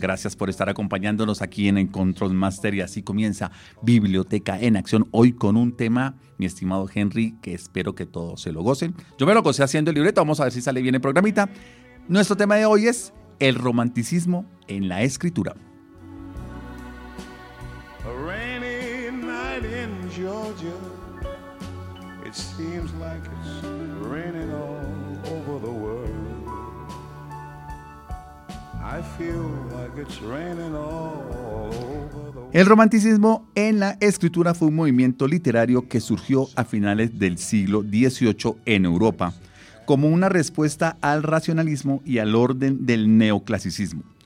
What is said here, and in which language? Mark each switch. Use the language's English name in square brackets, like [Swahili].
[Spanish] Gracias por estar acompañándonos aquí en el Control Master. Y así comienza Biblioteca en Acción, hoy con un tema, mi estimado Henry, que espero que todos se lo gocen. Yo me lo gocé haciendo el libreto, vamos a ver si sale bien el programita. Nuestro tema de hoy es el romanticismo en la escritura. [English] A rainy night in Georgia, it seems like it's raining all over the world. I feel like it's raining all over the world. [Spanish] El romanticismo en la escritura fue un movimiento literario que surgió a finales del siglo XVIII en Europa como una respuesta al racionalismo y al orden del neoclasicismo.